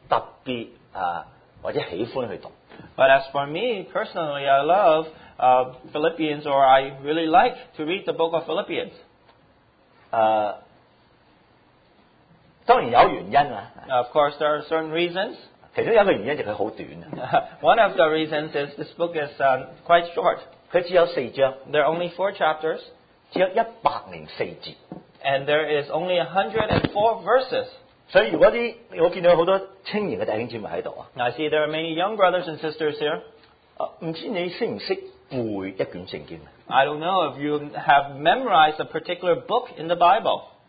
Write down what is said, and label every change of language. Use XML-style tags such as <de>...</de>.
<zh>但我自己来说,我就觉得腓立比书这一卷书是对我来说是特别或者喜欢去读。</zh> <en>But as for me personally, I love Philippians or I really like to read the book of Philippians.</en> <zh>当然有原因。</zh> <en>Of course, there are certain reasons.</en> <zh>其中一个原因就是它很短。</zh> <en>One of the reasons is this book is quite short.</en> <zh>它只有四章。</zh> <en>There are only four chapters.</en> <zh>只有104节。</zh> <en>And there is only 104 verses.</en> <zh>所以我见到很多青年的弟兄姊妹在这里。</zh> <en>I see there are many young brothers and sisters here.</en> <zh>不知道你懂不懂背一卷圣经?</zh> <en>I don't know if you have memorized a particular book in the Bible.</en>